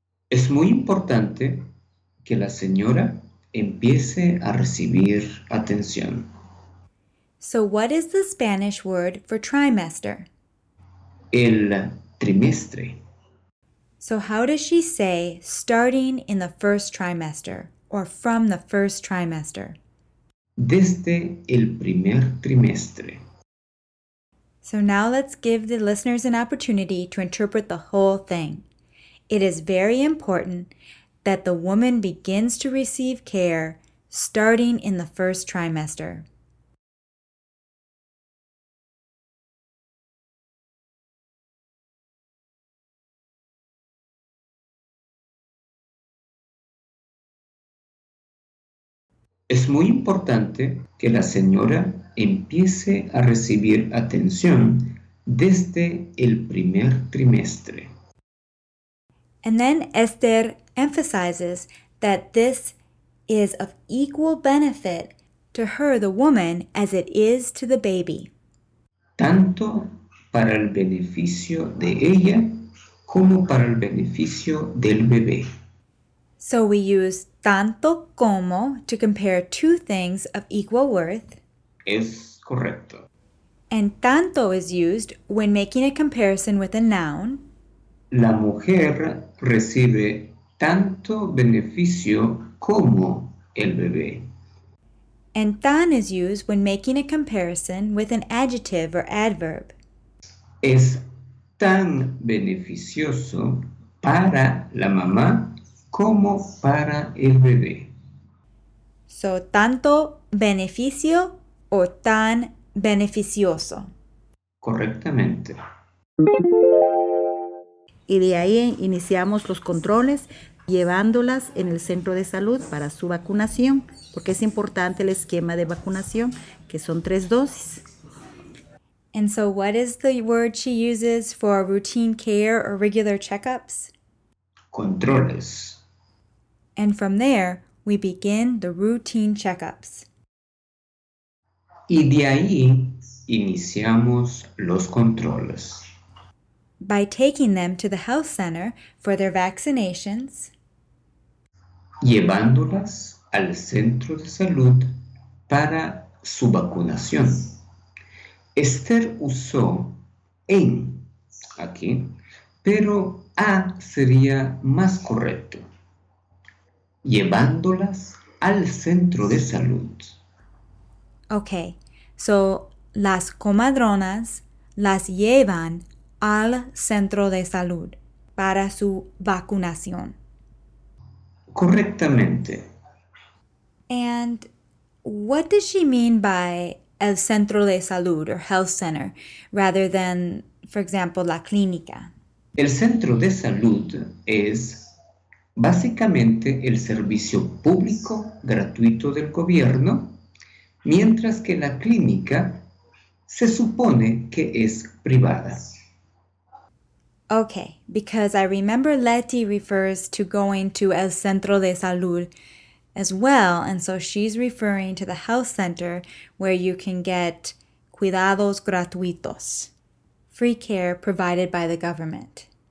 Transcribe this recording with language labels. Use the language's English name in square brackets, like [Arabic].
[Spanish] Es muy importante que la señora empiece a recibir atención. [English] So what is the Spanish word for trimester? [Spanish] El trimestre. [English] So how does she say starting in the first trimester or from the first trimester? [Spanish] Desde el primer trimestre. [English] So now let's give the listeners an opportunity to interpret the whole thing. It is very important that the woman begins to receive care starting in the first trimester. [Spanish] Es muy importante que la señora empiece a recibir atención desde el primer trimestre. [English] And then Esther emphasizes that this is of equal benefit to her, the woman, as it is to the baby. [Spanish] Tanto para el beneficio de ella como para el beneficio del bebé. [English] So we use tanto como to compare two things of equal worth. [Spanish] Es correcto. [English] And tanto is used when making a comparison with a noun. [Spanish] La mujer recibe tanto beneficio como el bebé. [English] And tan is used when making a comparison with an adjective or adverb. [Spanish] Es tan beneficioso para la mamá como para el bebé. So, tanto beneficio o tan beneficioso. Correctamente. Y de ahí iniciamos los controles, llevándolas en el centro de salud para su vacunación, porque es importante el esquema de vacunación, que son 3 dosis. [English] And so what is the word she uses for routine care or regular checkups? [Spanish] Controles. [English] And from there, we begin the routine checkups. [Spanish] Y de ahí iniciamos los controles. [English] By taking them to the health center for their vaccinations. [Spanish] Llevándolas al centro de salud para su vacunación. Esther usó en aquí, pero a sería más correcto. Llevándolas al centro de salud. Okay, so las comadronas las llevan al centro de salud para su vacunación. Correctamente. [English] And what does she mean by el centro de salud or health center rather than, for example, la clínica? [Spanish] El centro de salud es básicamente el servicio público gratuito del gobierno, mientras que la clínica se supone que es privada. [English] Okay, because I remember Leti refers to going to el centro de salud as well, and so she's referring to the health center where you can get [Spanish] cuidados gratuitos, [English] free care provided by the government.